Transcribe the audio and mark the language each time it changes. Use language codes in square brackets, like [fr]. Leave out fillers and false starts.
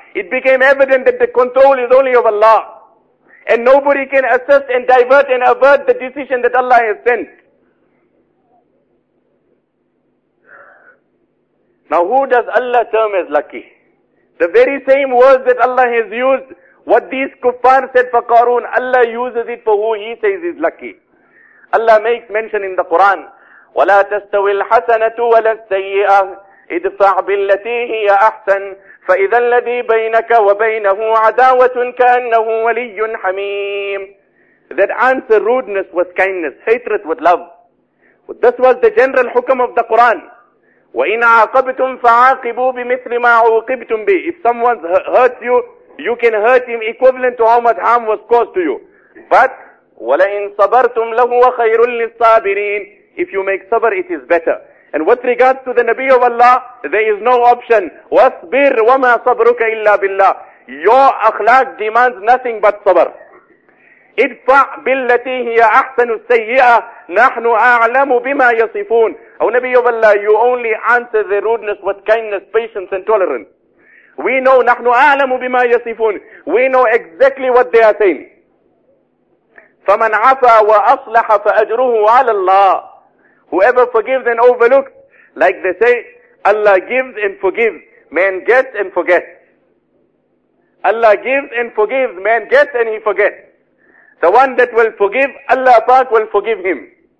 [en] It became evident that the control is only of Allah. And nobody can assist and divert and avert the decision that Allah has sent. Now who does Allah term as lucky? The very same words that Allah has used, what these kuffar said for Qarun, Allah uses it for who He says is lucky. Allah makes mention in the Quran, [ar] وَلَا تَسْتَوِي الْحَسَنَةُ وَلَا السَّيِّئَةِ ادْفَعْ بِالَّتِي هِيَ أَحْسَنِ فَإِذَا الَّذِي بَيْنَكَ وَبَيْنَهُ عَدَاوَةٌ كَأَنَّهُ وَلِيٌّ حَمِيمٌ. [en] That answer rudeness with kindness, hatred with love. This was the general hukam of the Quran. [ar] وَإِنْ عَاقَبْتُمْ فَعَاقِبُوا بِمِثْلِ مَا عُوقِبْتُمْ بِهِ. [en] If someone hurts you, you can hurt him equivalent to how much harm was caused to you. But [ar] وَلَئِنْ صَبَرْتُمْ لَهُوَ خَيْرٌ لِلصَّابِرِينَ. [en] If you make sabr, it is better. And with regards to the Nabi of Allah, there is no option. [ar] وَاسْبِرْ وَمَا صَبْرُكَ إِلَّا بِاللَّهِ. [en] Your akhlaq demands nothing but sabr. [ar] اِدْفَعْ بِالَّتِي هِيَ أَحْسَنُ السَّيِّئَةِ نَحْنُ أَعْلَمُ بِمَا يَصِفُونَ. [en] O Nabi of Allah, you only answer the rudeness with kindness, patience and tolerance. We know, [ar] نَحْنُ أَعْلَمُ بِمَا يَصِفُونَ. [en] We know exactly what they are saying. [ar] فَمَنْ عَفَى وَأَصْلَحَ فَأَجْرُهُ عَلَى اللَّهِ. [en] Whoever forgives and overlooks, like they say, Allah gives and forgives, man gets and forgets. Allah gives and forgives, man gets and he forgets. The one that will forgive, Allah Pak will forgive him.